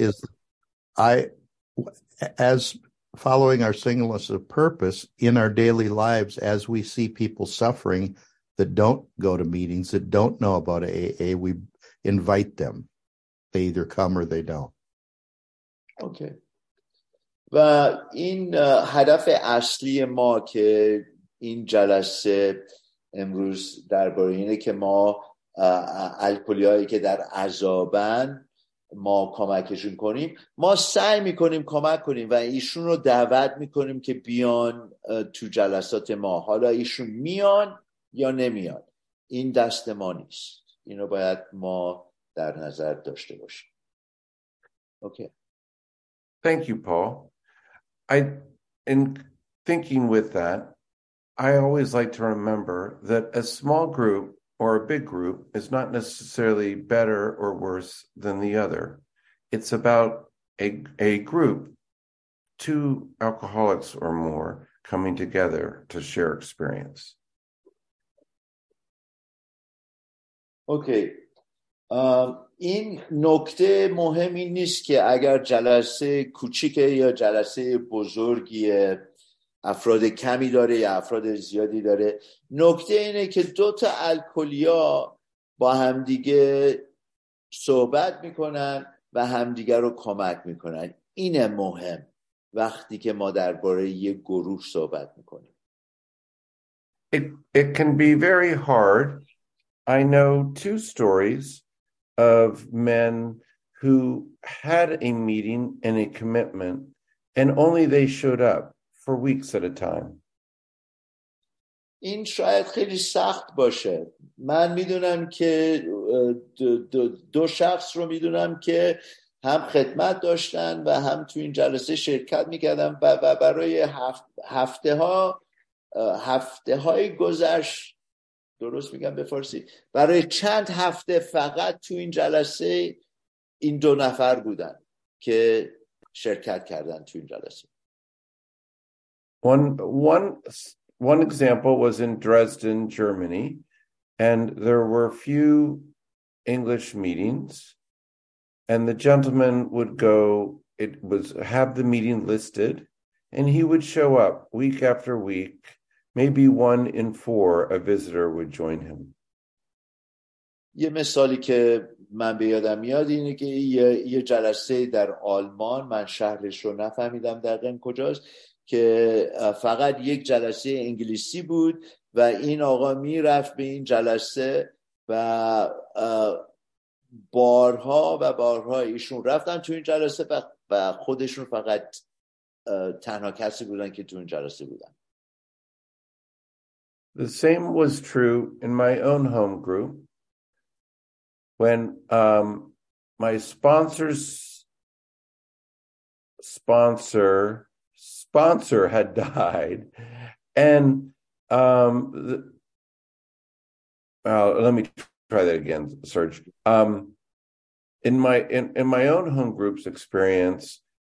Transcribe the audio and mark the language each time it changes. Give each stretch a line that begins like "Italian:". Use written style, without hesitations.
English: is I as following our singleness of purpose in our daily lives as we see people suffering that don't go to meetings, that don't know about AA, we invite them. They either come or they don't. Okay.
Persian: و این هدف اصلی ما که این جلسه امروز درباره اینه که ما الکلی‌هایی که در عذابن ما کمکشون کنیم. ما سعی میکنیم کمک کنیم و ایشون رو دعوت میکنیم که بیان تو جلسات ما. حالا ایشون میان یا نمیان. این دست ما نیست. اینو باید ما در نظر داشته باشیم.
English: Okay. Thank you, Paul. In thinking with that, I always like to remember that a small group or a big group is not necessarily better or worse than the other. It's about a group, two alcoholics or more, coming together to share experience. Okay.
Persian: این نکته مهمی نیست که اگر جلسه کوچیکه یا جلسه بزرگیه افراد کمی داره یا افراد زیادی داره. نکته اینه که دوتا الکلیا با همدیگه صحبت میکنن و همدیگر رو کمک میکنن. اینه مهم وقتی که ما درباره یه گروه صحبت میکنیم.
English: It can be very hard. I know two stories of men who had a meeting and a commitment and only they showed up for weeks at a time.
Persian: این شاید خیلی سخت باشه. من میدونم که دو شخص رو میدونم که هم خدمت داشتن و هم تو این جلسه شرکت میکردن و برای هفته های گذشت درست میگم به فارسی برای چند هفته فقط تو این جلسه این دو نفر بودن که شرکت کردن تو این جلسه.
English: One example was in Dresden, Germany, and there were few English meetings, and the gentleman would go, it was have the meeting listed, and he would show up week after week. Maybe one in four, a visitor would join him.
Persian: یه مثالی که من به یادم میاد اینه که یه جلسه در آلمان، من شهرش رو نفهمیدم دقیقاً کجاست، که فقط یک جلسه انگلیسی بود و این آقا میرفت به این جلسه و بارها و بارها ایشون رفتن تو این جلسه و خودشون فقط تنها کسی بودن که تو این جلسه بودن.
English: The same was true in my own home group when my sponsor had died, and let me try that again, Serge. In my own home group's experience,